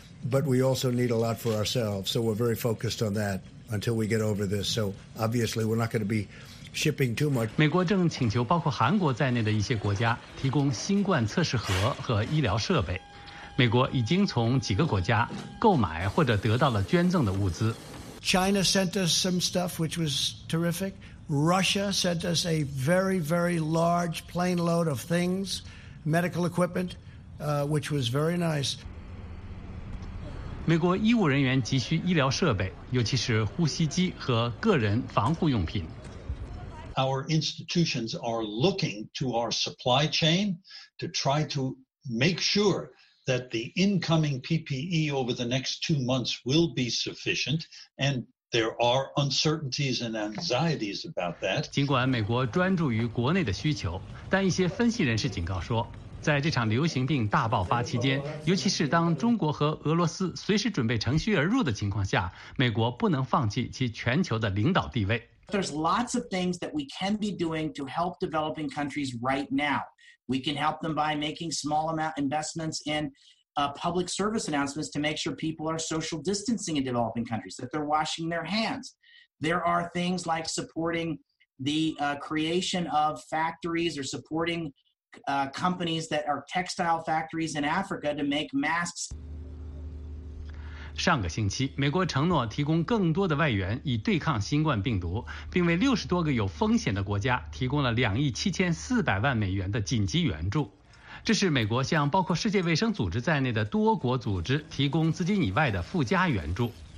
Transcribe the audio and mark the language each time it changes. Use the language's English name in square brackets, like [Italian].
[English] But we also need a lot for ourselves, so we're very focused on that until we get over this. So obviously, we're not going to be shipping too much. [Chinese] 美国正请求包括韩国在内的一些国家提供新冠测试盒和医疗设备。美国已经从几个国家购买或者得到了捐赠的物资。 [English] China sent us some stuff, which was terrific. Russia sent us a very, very large plane load of things, medical equipment, which was very nice. [Chinese] 美国医务人员急需医疗设备，尤其是呼吸机和个人防护用品。 [English] Our institutions are looking to our supply chain to try to make sure. That the incoming PPE over the next 2 months will be sufficient, and there are uncertainties and anxieties about that. [Chinese] 尽管美国专注于国内的需求，但一些分析人士警告说，在这场流行病大爆发期间，尤其是当中国和俄罗斯随时准备乘虚而入的情况下，美国不能放弃其全球的领导地位。 [English] There's lots of things that we can be doing to help developing countries right now. We can help them by making small amount investments in public service announcements to make sure people are social distancing in developing countries, that they're washing their hands. There are things like supporting the creation of factories or supporting companies that are textile factories in Africa to make masks. [Chinese] 上个星期，美国承诺提供更多的外援以对抗新冠病毒，并为60多个有风险的国家提供了2亿7400万美元的紧急援助。这是美国向包括世界卫生组织在内的多国组织提供资金以外的附加援助。